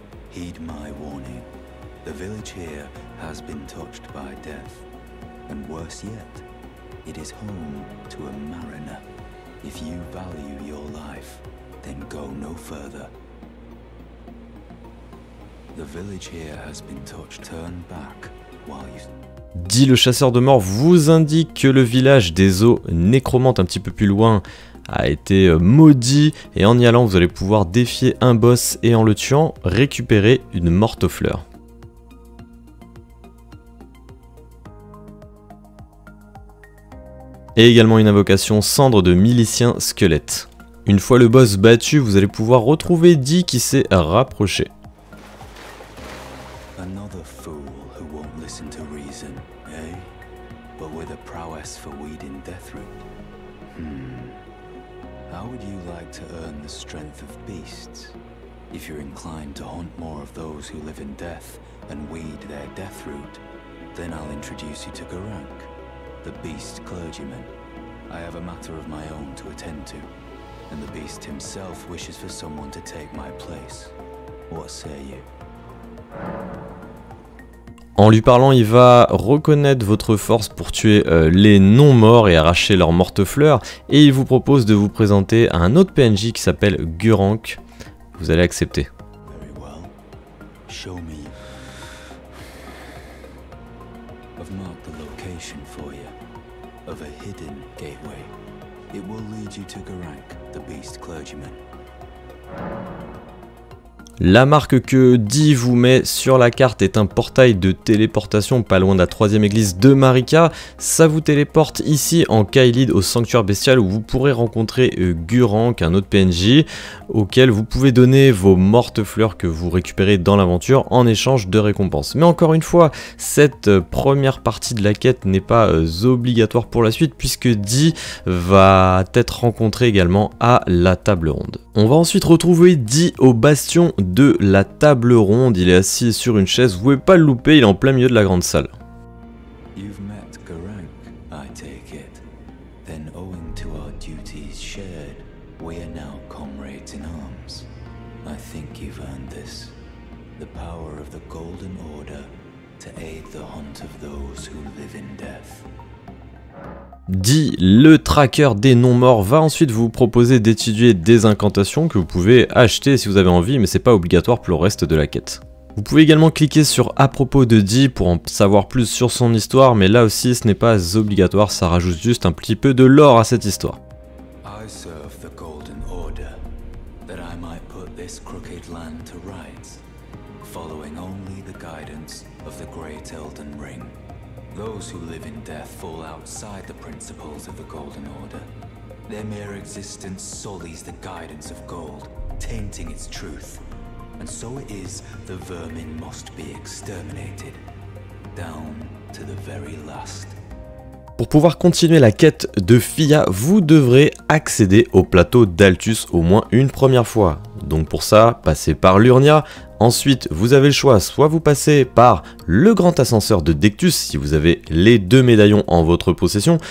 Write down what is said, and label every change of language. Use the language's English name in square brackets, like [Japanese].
[English] Heed my warning. The village here has been touched by death. And worse yet, it is home to a mariner. If you value your life, then go no further. the village here has been touched, turn back while you... [French] Dit le chasseur de morts vous indique que le village des eaux nécromantes un petit peu plus loin a été maudit et en y allant vous allez pouvoir défier un boss et en le tuant récupérer une morte aux fleurs. Et également une invocation cendre de milicien squelette. Une fois le boss battu, vous allez pouvoir retrouver Dee qui s'est rapproché. [English] Another fool who won't listen to reason, eh? But with a prowess for weeding Deathroot. How would you like to earn the strength of beasts? If you're inclined to hunt more of those who live in death and weed their Deathroot, then I'll introduce you to Garank, the beast clergyman. I have a matter of my own to attend to, and the beast himself wishes for someone to take my place. What say you? [French] En lui parlant, il va reconnaître votre force pour tuer les non-morts et arracher leurs mortes fleurs, et il vous propose de vous présenter à un autre PNJ qui s'appelle Gurank. Vous allez accepter. [English] Very well. Show me. I've marked the location for you of a hidden gateway. It will lead you to Garank, the beast clergyman. [French] La marque que Dee vous met sur la carte est un portail de téléportation pas loin de la 3ème église de Marika. Ça vous téléporte ici en Kaelid au sanctuaire bestial où vous pourrez rencontrer Gurank, un autre PNJ, auquel vous pouvez donner vos mortes fleurs que vous récupérez dans l'aventure en échange de récompenses. Mais encore une fois, cette première partie de la quête n'est pas obligatoire pour la suite puisque Dee va être rencontré également à la table ronde. On va ensuite retrouver Dee au bastion de la table ronde. Il est assis sur une chaise, vous pouvez pas le louper, il est en plein milieu de la grande salle. [English] You've met Garank, I take it. Then owing to our duties shared, we are now comrades in arms. I think you've earned this. The power of the Golden Order to aid the hunt of those who live in death. [French] Dee, le tracker des non-morts, va ensuite vous proposer d'étudier des incantations que vous pouvez acheter si vous avez envie, mais c'est pas obligatoire pour le reste de la quête. Vous pouvez également cliquer sur « À propos de Dee » pour en savoir plus sur son histoire, mais là aussi ce n'est pas obligatoire, ça rajoute juste un petit peu de lore à cette histoire. [English] I serve the Golden Order, that I might put this crooked land to rights, following only the guidance of the Great Elden Ring. Those who live in death fall outside the principles of the Golden Order. Their mere existence sullies the guidance of gold, tainting its truth. And so it is, the vermin must be exterminated, down to the very last. [French] Pour pouvoir continuer la quête de Fia, vous devrez accéder au plateau d'Altus au moins une première fois. Donc pour ça, passez par Lurnia. Ensuite, vous avez le choix, soit vous passez par le grand ascenseur de Dectus, si vous avez les deux médaillons en votre possession.